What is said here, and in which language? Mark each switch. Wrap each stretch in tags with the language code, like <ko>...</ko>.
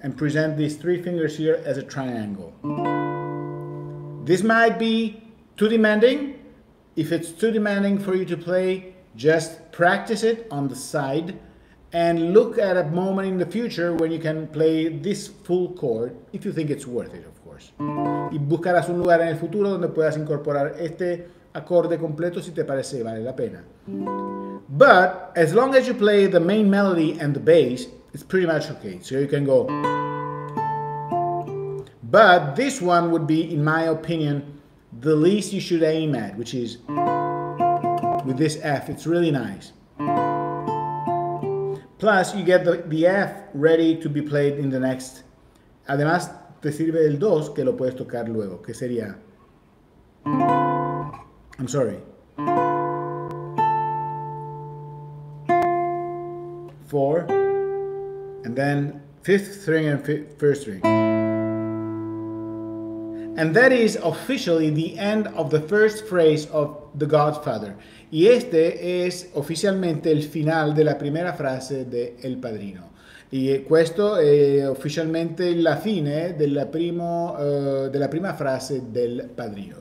<en>And present these three fingers here as a triangle. This might be too demanding. If it's too demanding for you to play, just practice it on the side and look at a moment in the future when you can play this full chord, if you think it's worth it, of course.</en> <es>Y buscarás un lugar en el futuro donde puedas incorporar este acorde completo si te parece vale la pena.</es> <en>But as long as you play the main melody and the bass, it's pretty much okay. So you can go. But this one would be, in my opinion, the least you should aim at, which is with this F, it's really nice. Plus, you get the F ready to be played in the next.</en> <es>Además, te sirve el 2 que lo puedes tocar luego, que sería.</es> <en>I'm sorry. 4. And then 5th string and 1st string. And that is officially the end of the first phrase of The Godfather.</en> <es>Y este es oficialmente el final de la primera frase de El Padrino.</es> <it>E questo è ufficialmente la fine della prima frase del padrino.</it>